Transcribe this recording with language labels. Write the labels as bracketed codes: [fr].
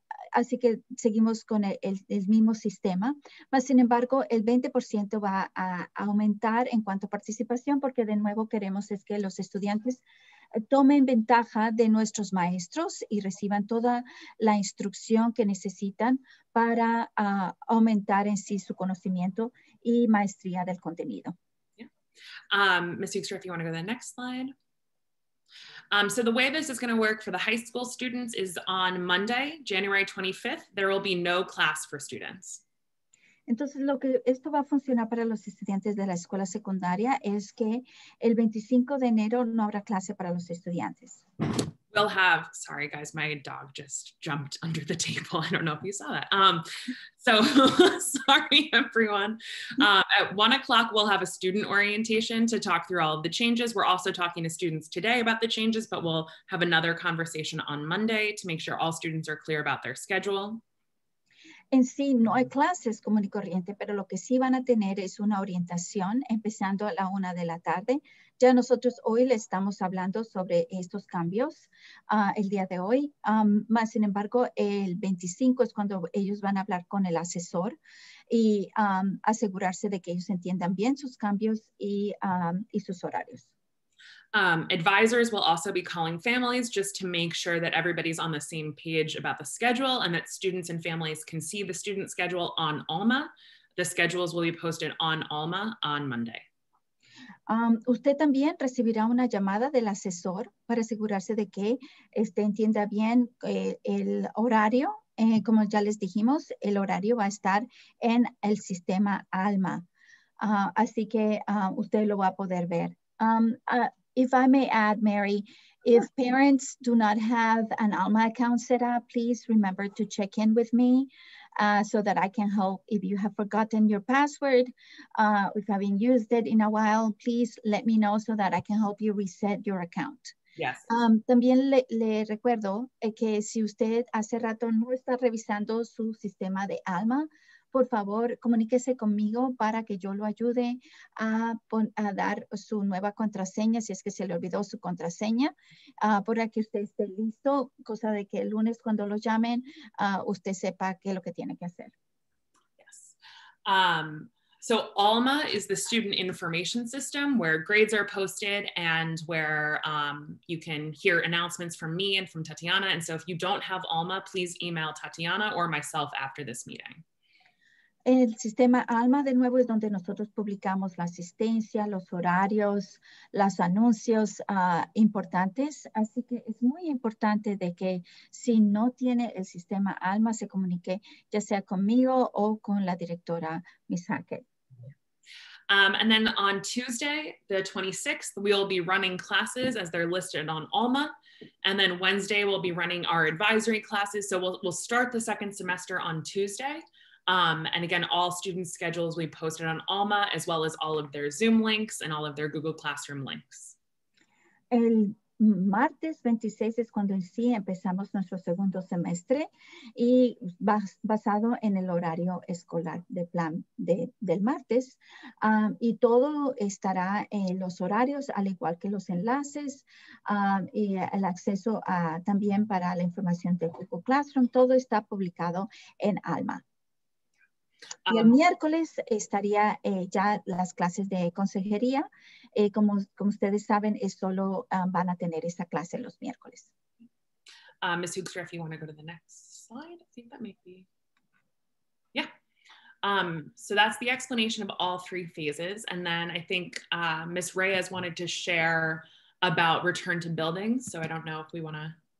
[es] Así que seguimos con el mismo sistema, mas sin embargo el 20% va a aumentar en cuanto a participación porque de nuevo queremos es que los estudiantes tomen ventaja de nuestros maestros y reciban toda la instrucción que necesitan para aumentar en sí su conocimiento y maestría del contenido. [en] Yeah. Ms. Hoekstra, if you want to go to the next slide. So the way this is going to work for the high school students is on Monday, January 25th, there will be no class for students. [es] Entonces, lo que esto va a funcionar para los estudiantes de la escuela secundaria es que el 25 de enero no habrá clase para los estudiantes. [en] will have, sorry guys, my dog just jumped under the table. I don't know if you saw that. So sorry, everyone. At 1 o'clock, we'll have a student orientation to talk through all of the changes. We're also talking to students today about the changes, but we'll have another conversation on Monday to make sure all students are clear about their schedule. [es] En sí, no hay clases común y corriente, pero lo que sí van a tener es una orientación empezando a la 1 de la tarde. Ya nosotros hoy le estamos hablando sobre estos cambios el día de hoy. Más sin embargo, el 25 es cuando ellos van a hablar con el asesor y asegurarse de que ellos entiendan bien sus cambios y sus horarios. [en] Advisors will also be calling families just to make sure that everybody's on the same page about the schedule and that students and families can see the student schedule on ALMA. The schedules will be posted on ALMA on Monday. [es] Usted también recibirá una llamada del asesor para asegurarse de que este entienda bien el horario. Como ya les dijimos, el horario va a estar en el sistema ALMA. Así que usted lo va a poder ver. [en] If I may add, Mary, if parents do not have an ALMA account set up, please remember to check in with me so that I can help. If you have forgotten your password, if you haven't used it in a while, please let me know so that I can help you reset your account. Yes. [es] También le recuerdo que si usted hace rato no está revisando su sistema de ALMA, por favor, comuníquese conmigo para que yo lo ayude a dar su nueva contraseña, si es que se le olvidó su contraseña, para que usted esté listo, cosa de que el lunes cuando lo llamen, usted sepa qué es lo que tiene que hacer. [en] Yes. So ALMA is the student information system where grades are posted and where you can hear announcements from me and from Tatiana. And so if you don't have ALMA, please email Tatiana or myself after this meeting. [es] El sistema ALMA, de nuevo, es donde nosotros publicamos la asistencia, los horarios, los anuncios importantes. Así que es muy importante de que si no tiene el sistema ALMA, se comunique ya sea conmigo o con la directora, Ms. Hackett. [en] And then on Tuesday, the 26th, we'll be running classes as they're listed on ALMA. And then Wednesday, we'll be running our advisory classes. So we'll start the second semester on Tuesday. And again, all students' schedules will be posted on ALMA, as well as all of their Zoom links and all of their Google Classroom links. [es] El martes 26 es cuando en sí empezamos nuestro segundo semestre y basado en el horario escolar de plan del martes. Y todo estará en los horarios, al igual que los enlaces y el acceso también para la información de Google Classroom. Todo está publicado en ALMA. Y el miércoles estaría ya las clases de consejería. Como ustedes saben, es solo van a tener esa clase los miércoles. [en] Ms. Hoekstra, if you want to go to the next slide, I think that may be, yeah. So that's the explanation of all three phases. And then I think Ms. Reyes wanted to share about return to buildings. So I don't know if we want to.